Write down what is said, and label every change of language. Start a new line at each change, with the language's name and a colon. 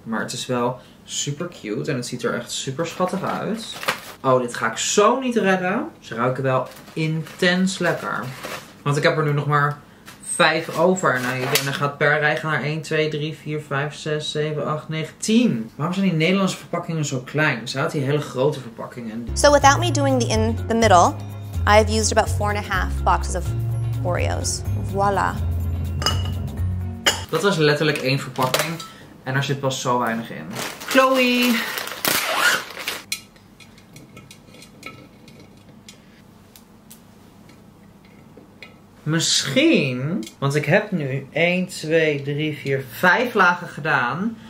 Dutch: Maar het is wel super cute en het ziet er echt super schattig uit. Oh, dit ga ik zo niet redden. Ze ruiken wel intens lekker. Want ik heb er nu nog maar 5 over. Nou, en dan gaat per rij gaan naar 1, 2, 3, 4, 5, 6, 7, 8, 9, 10. Waarom zijn die Nederlandse verpakkingen zo klein? Ze had die hele grote verpakkingen.
English: So without me doing the in the middle, I have used about 4.5 boxes of Oreos.
Dutch: Voila. Dat was letterlijk 1 verpakking. En er zit pas zo weinig in. Chloe! Misschien, want ik heb nu 1, 2, 3, 4, 5 lagen gedaan.